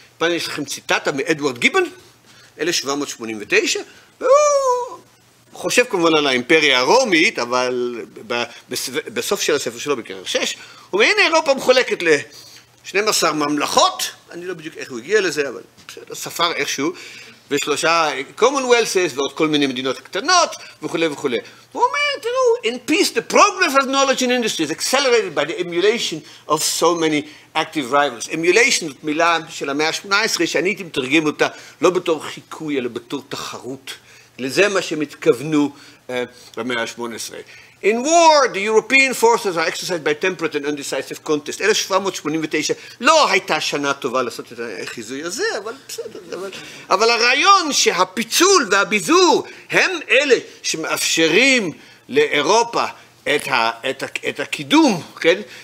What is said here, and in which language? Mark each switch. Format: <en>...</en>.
<he>פעם יש לכם ציטטה מאדוארד גיבן, 1789, והוא חושב כמובן על האימפריה הרומית, אבל בסוף של הספר שלו, בקרר 6, הוא אומר, הנה אירופה מחולקת ל-12 ממלכות, אני לא בדיוק איך הוא הגיע לזה, אבל ספר איכשהו, ושלושה commonwealths ועוד כל מיני מדינות קטנות וכו' וכו'. הוא אומר, תראו,</he> <en>in peace, the progress of knowledge and industry is accelerated by the emulation of so many active rivals.</en> <he>Emulation זאת מילה של המאה ה-18 שאני הייתי מתרגם אותה לא בתור חיקוי, אלא בתור תחרות. לזה מה שהם התכוונו במאה ה-18.</he> <en>In war, the European forces are exercised by temperate and undecisive contest.</en> <he>1789 לא הייתה שנה טובה לעשות את החיזוי הזה, אבל בסדר. אבל הרעיון שהפיצול והביזור הם אלה שמאפשרים לאירופה את הקידום, כן?</he>